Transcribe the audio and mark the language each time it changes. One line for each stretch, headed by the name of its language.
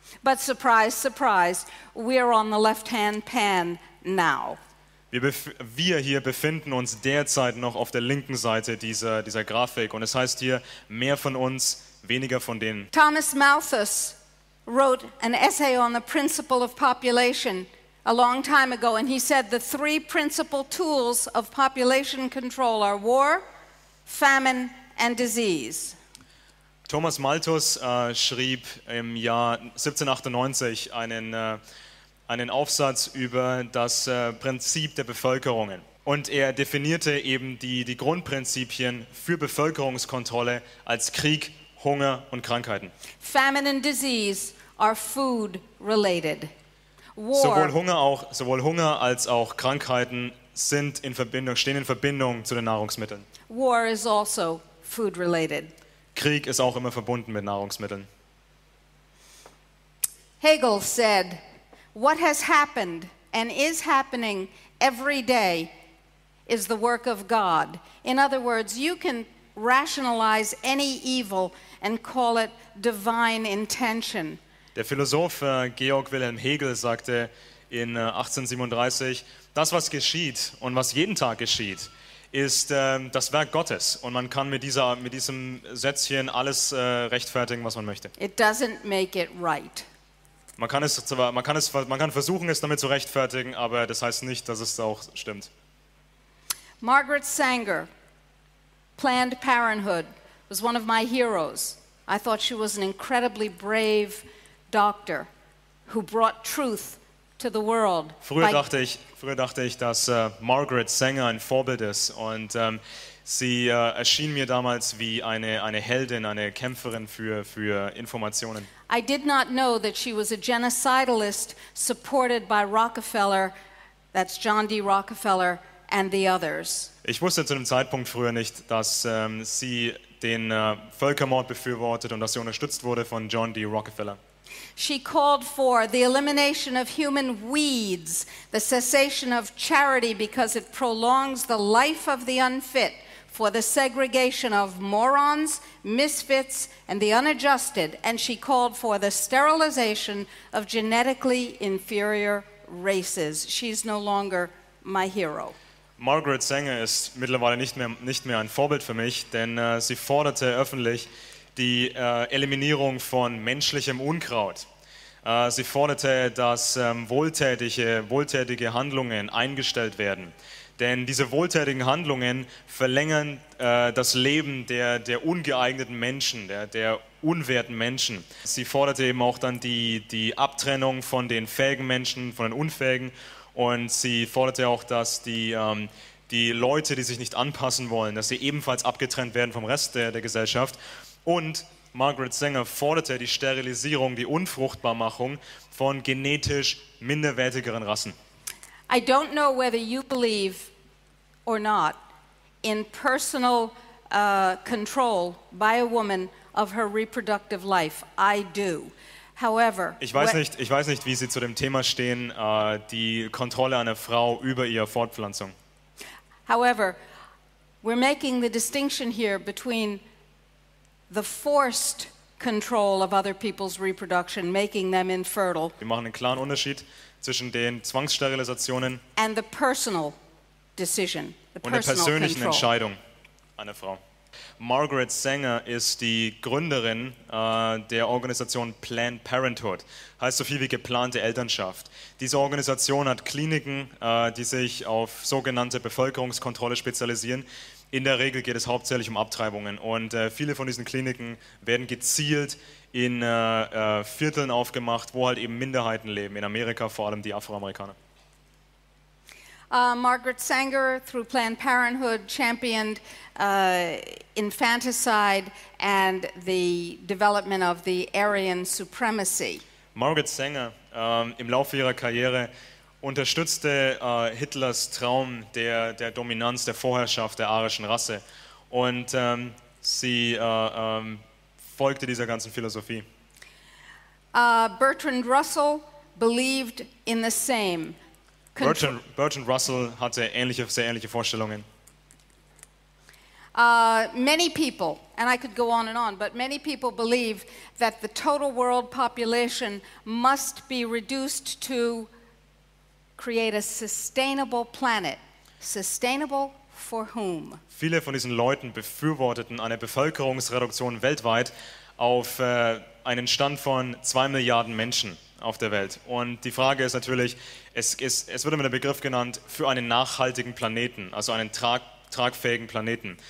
English: But surprise, surprise, we're on the left-hand pan now.
German: Wir hier befinden uns derzeit noch auf der linken Seite dieser Grafik und es heißt hier mehr von uns, weniger von denen.
English: Thomas Malthus wrote an essay on the principle of population a long time ago and he said the three principal tools of population control are war, famine and disease.
German: Thomas Malthus schrieb im Jahr 1798 einen Aufsatz über das Prinzip der Bevölkerungen. Und er definierte eben die Grundprinzipien für Bevölkerungskontrolle als Krieg, Hunger und Krankheiten.
English: Famine and disease are food related. War.
German: Sowohl Hunger als auch Krankheiten stehen in Verbindung zu den Nahrungsmitteln.
English: War is also food related.
German: Krieg ist auch immer verbunden mit Nahrungsmitteln.
English: Hegel said, what has happened and is happening every day is the work of God. In other words, you can rationalize any evil and call it divine intention.
German: Der Philosoph Georg Wilhelm Hegel sagte in 1837, das, was geschieht und was jeden Tag geschieht, ist das Werk Gottes und man kann mit diesem Sätzchen alles rechtfertigen, was man möchte.
English: It doesn't make it right.
German: Man kann versuchen, es damit zu rechtfertigen, aber das heißt nicht, dass es auch stimmt.
English: Margaret Sanger, Planned Parenthood, was one of my heroes. I thought she was an incredibly brave doctor who brought truth to the world.
German: Früher dachte ich, dass Margaret Sanger ein Vorbild ist und sie erschien mir damals wie eine Heldin, eine Kämpferin für Informationen.
English: I did not know that she was a genocidalist supported by Rockefeller, that's John D. Rockefeller and the others.
German: Ich wusste zu dem Zeitpunkt früher nicht, dass sie den Völkermord befürwortet und dass sie unterstützt wurde von John D. Rockefeller.
English: She called for the elimination of human weeds, the cessation of charity because it prolongs the life of the unfit, for the segregation of morons, misfits, and the unadjusted, and she called for the sterilization of genetically inferior races. She's no longer my hero.
German: Margaret Sanger ist mittlerweile nicht mehr ein Vorbild für mich, denn sie forderte öffentlich die Eliminierung von menschlichem Unkraut. Sie forderte, dass wohltätige Handlungen eingestellt werden. Denn diese wohltätigen Handlungen verlängern das Leben der ungeeigneten Menschen, der unwerten Menschen. Sie forderte eben auch dann die Abtrennung von den fähigen Menschen, von den unfähigen. Und sie forderte auch, dass die Leute, die sich nicht anpassen wollen, dass sie ebenfalls abgetrennt werden vom Rest der Gesellschaft. Und Margaret Sanger forderte die Sterilisierung, die Unfruchtbarmachung von genetisch minderwertigeren Rassen.
English: I don't know whether you believe or not in personal control by a woman of her reproductive life. I do. However,
German: ich weiß nicht, wie Sie zu dem Thema stehen, die Kontrolle einer Frau über ihre Fortpflanzung.
English: However, we're making the distinction here between the forced control of other people's reproduction, making them infertile.
German: Wir machen einen klaren Unterschied zwischen den Zwangssterilisationen
English: and the personal decision,
German: und der persönlichen Entscheidung einer Frau. Margaret Sanger ist die Gründerin der Organisation Planned Parenthood, heißt so viel wie geplante Elternschaft. Diese Organisation hat Kliniken, die sich auf sogenannte Bevölkerungskontrolle spezialisieren. In der Regel geht es hauptsächlich um Abtreibungen und viele von diesen Kliniken werden gezielt in Vierteln aufgemacht, wo halt eben Minderheiten leben, in Amerika vor allem die Afroamerikaner.
English: Margaret Sanger through Planned Parenthood championed infanticide and the development of the Aryan supremacy.
German: Margaret Sanger im Laufe ihrer Karriere unterstützte Hitlers Traum der Dominanz, der Vorherrschaft der arischen Rasse. Und sie folgte dieser ganzen Philosophie.
English: Bertrand Russell believed in the same.
German: Bertrand Russell hatte ähnliche, sehr ähnliche Vorstellungen.
English: Many people, and I could go on and on, but many people believe that the total world population must be reduced to create a sustainable planet. Sustainable for whom?
German: Viele von diesen Leuten befürworteten eine Bevölkerungsreduktion weltweit auf einen Stand von 2 Milliarden Menschen auf der Welt. Und die Frage ist natürlich, es wird immer der Begriff genannt für einen nachhaltigen Planeten, also einen tragfähigen Planeten.